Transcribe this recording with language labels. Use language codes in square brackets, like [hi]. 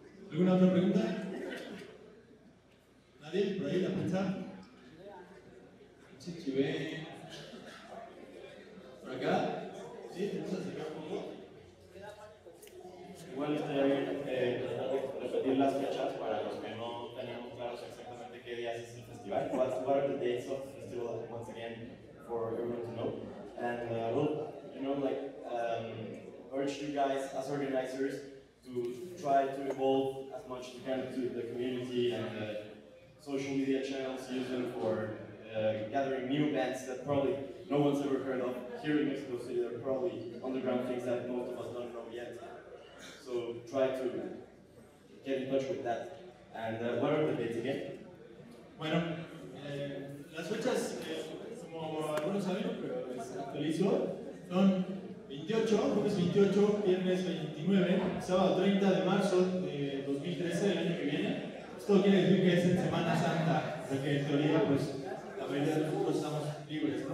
[es] ¿Alguna otra pregunta? ¿Nadie? ¿Por ahí la pizza? Chichibé. ¿Por acá? ¿Sí? ¿Te gusta acercar un poco? Igual estaría bien tratar de repetir las fechas para los que no tenemos claros exactamente qué días es el festival. [en] What are the dates of the festival, once again, for everyone to know? And I will, you know, like, urge you guys as organizers to try to evolve as much as you can to the community and the social media channels, use them for gathering new bands that probably no one's ever heard of here in Mexico City. They're probably underground things that most of us don't know yet. So try to get in touch with that. And what are the dates again? [es] Bueno, las fechas, como algunos saben, pero es son 28, jueves 28, viernes 29, sábado 30 de marzo de 2013, el año que viene. Esto quiere decir que es en Semana Santa, porque en teoría, pues, la mayoría de nosotros estamos libres, ¿no?